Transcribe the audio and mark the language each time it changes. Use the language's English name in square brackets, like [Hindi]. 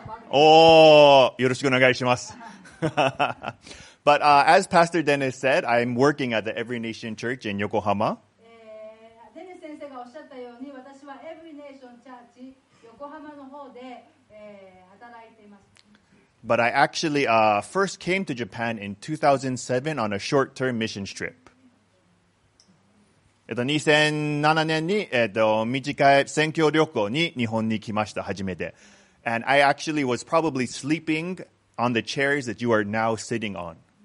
[Japanese] おお、よろしくお願いします。 [English] But as Pastor Dennis said, I'm working at the Every Nation Church in Yokohama. [Japanese] Dennis 先生がおっしゃったように、私は Every Nation Church 横浜の方で、働いています。 [English] But I actually first came to Japan in 2007 on a short-term mission trip. [Japanese] 2007年に、短い宣教旅行に日本に来ました、初めて。 [English] And I actually was probably sleeping on the chairs that you are now sitting on.